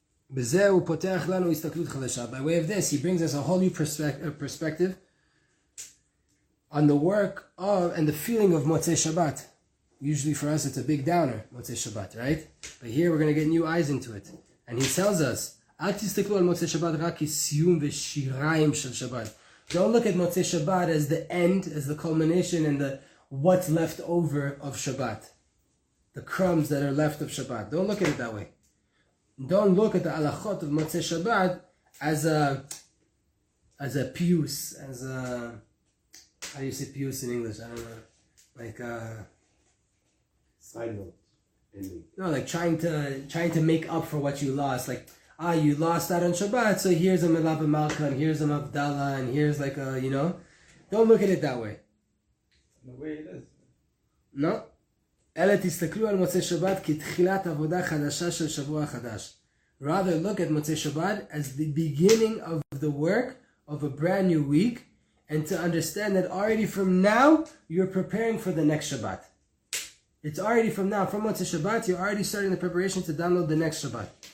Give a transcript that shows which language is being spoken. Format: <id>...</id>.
<he>בזהו פותח לנו הסתכלות חדשה.</he> <en>By way of this, he brings us a whole new perspective on the work of and the feeling of Motzei Shabbat. Usually for us, it's a big downer, Motzei Shabbat, right? But here we're going to get new eyes into it. And he tells us,</en> <he>אל תסתכלו על מוצאי שבת רק כסיום ושיריים של שבת.</he> <en>Don't look at מוצאי שבת as the end, as the culmination and the what's left over of Shabbat. The crumbs that are left of Shabbat. Don't look at it that way. Don't look at the הלכות of מוצאי שבת as a pius, as a... How do you say pius in English? I don't know. Like a... Side note. No, like trying to make up for what you lost. Like, you lost that on Shabbat, so here's a Melava Malka, and here's a Mavdala, and here's like a, you know. Don't look at it that way. In the way it is. No.</en> <he>אלא תסתכלו על מוצאי שבת כתחילת עבודה חדשה של שבוע חדש.</he> <en>Rather, look at מוצאי שבת as the beginning of the work of a brand new week, and to understand that already from now, you're preparing for the next Shabbat. It's already from now, from Motzei Shabbat, you're already starting the preparation to download the next Shabbat.</en>